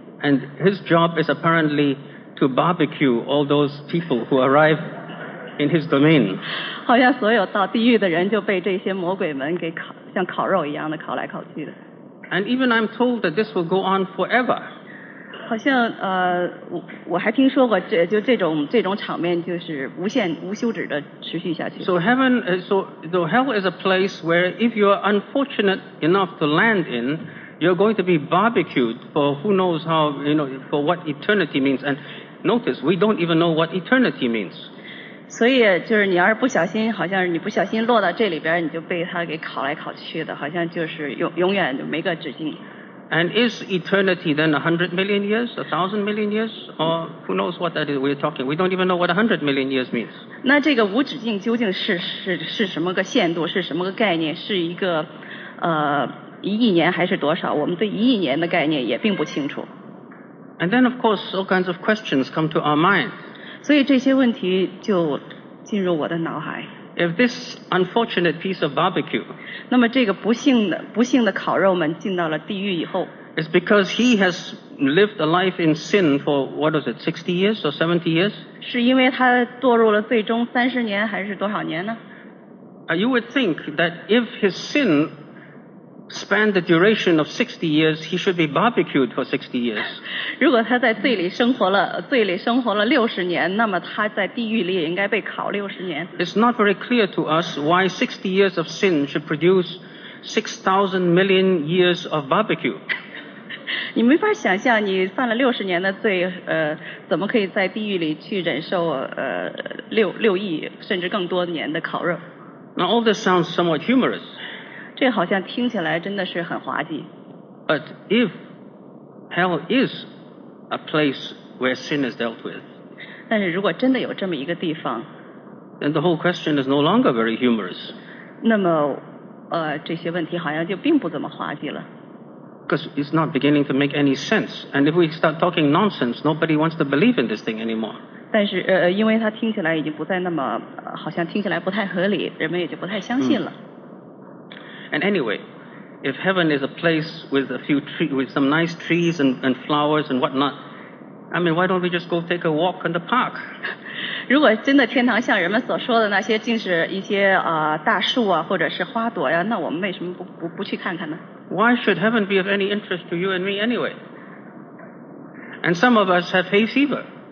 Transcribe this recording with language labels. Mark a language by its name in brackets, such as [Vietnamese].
[English] and his job is apparently to barbecue all those people who arriveIn his domain. [Chinese] 好像所有到地狱的人就被这些魔鬼们给烤，像烤肉一样的烤来烤去的。 [English] And even I'm told that this will go on forever. [Chinese] 好像我还听说过这种场面就是无休止的持续下去。 [English] So hell is a place where if you are unfortunate enough to land in, you're going to be barbecued for who knows how, you know, for what eternity means. And notice, we don't even know what eternity means. [Chinese] 所以就是你要是不小心好像是你不小心落到这里边你就被他给烤来烤去的好像就是永远就没个止境 [English] And is eternity then 100 million years 1,000 million years or who knows what that is we're talking we don't even know what 100 million years means [Chinese] 那这个无止境究竟是什么个限度是什么个概念是一个一亿年还是多少，我们对一亿年的概念也并不清楚。 [English] And then of course all kinds of questions come to our mind. [Chinese] 所以这些问题就进入我的脑海。 [English] If this unfortunate piece of barbecue, [Chinese] 那么这个不幸的烤肉们进到了地狱以后， [English] It's because he has lived a life in sin for, what was it, 60 years or 70 years? [Chinese] 是因为他堕入了最终三十年还是多少年呢？ [English] You would think that if his sin spanned the duration of 60 years, he should be barbecued for 60 years. [Chinese] 如果他在罪里生活了60年，那么他在地狱里也应该被烤60年。 [English] It's not very clear to us why 60 years of sin should produce 6,000 million years of barbecue. [Chinese] 你没法想象你犯了60年的罪，怎么可以在地狱里去忍受6亿甚至更多年的烤肉。 [English] Now all this sounds somewhat humorous. [Chinese] 这好像听起来真的是很滑稽。 [English] But if hell is a place where sin is dealt with, [Chinese] 但是如果真的有这么一个地方， [English] then the whole question is no longer very humorous. [Chinese] 那么这些问题好像就并不怎么滑稽了。 [English] Because it's not beginning to make any sense. And if we start talking nonsense, nobody wants to believe in this thing anymore. [Chinese] 但是因为它听起来已经不再那么好像听起来不太合理，人们也就不太相信了。 [English] And anyway, if heaven is a place with a few trees, with some nice trees and flowers and whatnot, I mean, why don't we just go take a walk in the park? [Chinese] 如果真的天堂像人们所说的那些竟是一些大树啊或者是花朵呀，那我们为什么不去看看呢？ [English] Why should heaven be of any interest to you and me anyway? And some of us have hay fever.